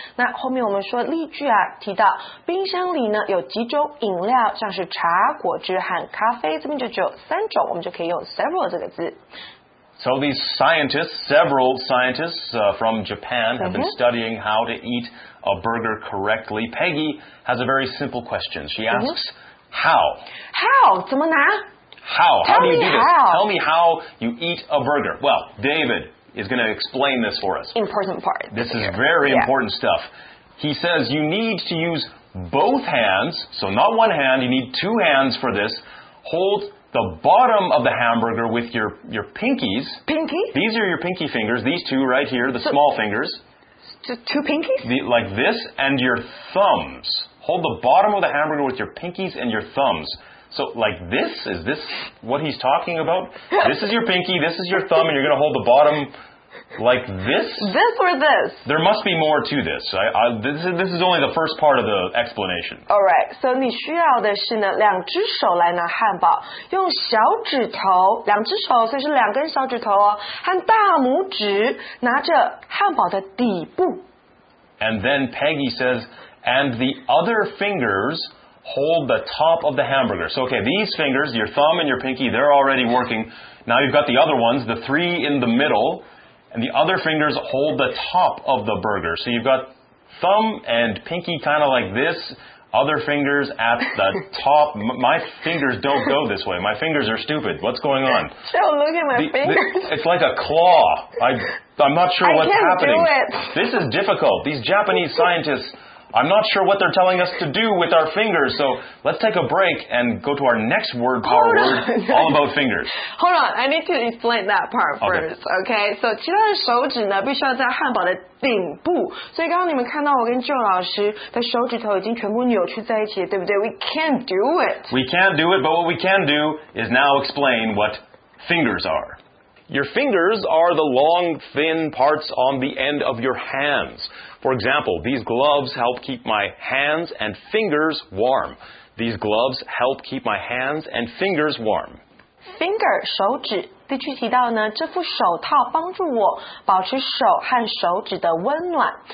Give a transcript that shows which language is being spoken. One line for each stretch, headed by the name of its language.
Chinese: 那后面我们说例句啊，提到冰箱里呢有几种饮料，像是茶、果汁和咖啡，这边就只有三种，我们就可以用 several 这个字。
English: So these scientists, several scientists, from Japan have been studying how to eat a burger correctly. Peggy has a very simple question. She asks, how?
Chinese: How? 怎么拿?
English: How? How do you do this? How? Tell me how you eat a burger. Well, David is going to explain this for us. Important part. This is very important stuff. He says you need to use both hands, so not one hand, you need two hands for this, hold... the bottom of the hamburger with your pinkies. Pinky? These are your pinky fingers. These two right here, the small fingers. Two pinkies? Like this and your thumbs. Hold the bottom of the hamburger with your pinkies and your thumbs. So like this? Is this what he's talking about? This is your pinky, this is your thumb, and you're going to hold the bottom like this? This or this? There must be more to this. This is only the first part of the explanation. Alright, so
Chinese: 你需要的是呢两只手来拿汉堡，用小指头，两只手，所以是两根小指头哦，和大拇指拿着汉堡的底部。
English: And then Peggy says, and the other fingers... hold the top of the hamburger. So, okay, these fingers, your thumb and your pinky, they're already working. Now you've got the other ones, the three in the middle, and the other fingers hold the top of the burger. So you've got thumb and pinky kind of like this, other fingers at the top. My fingers don't go this way. My fingers are stupid. What's going on? Joe, look at my fingers. It's like a claw. I'm not sure what's happening. I can't do it. This is difficult. These Japanese scientists... I'm not sure what they're telling us to do with our fingers, so let's take a break and go to our next word power word, all about fingers. Hold on, I need to explain that part first, okay?
Chinese: So, 其他的手指呢必须要在汉堡的顶部。所以刚刚你们看到我跟 Joe 老师的手指头已经全部扭曲在一起了，对不对?
English: We can't do it. We can't do it, but what we can do is now explain what fingers are. Your fingers are the long, thin parts on the end of your hands. For example, these gloves help keep my hands and fingers warm. These gloves help keep my hands and fingers warm.
Chinese: Finger, 手指。例句提到呢，这副手套帮助我保持手和手指的温暖。